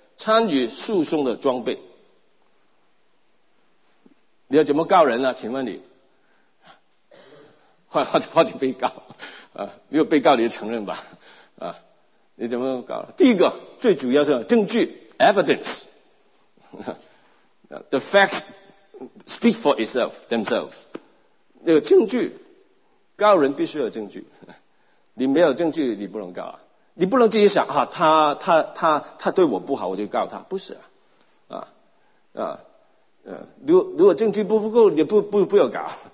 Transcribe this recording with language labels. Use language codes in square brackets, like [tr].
[zh] 参与诉讼的装备。你要怎么告人呢、啊、请问你。好几被告。啊，没有被告你就承认吧。啊，你怎么搞？第一个最主要是证据 ,evidence。 [en] The facts speak for itself, themselves. [zh] 那个证据，告人必须有证据。你没有证据你不能告啊。你不能自己想啊，他对我不好我就告他。不是啊。如果证据不够你不要告。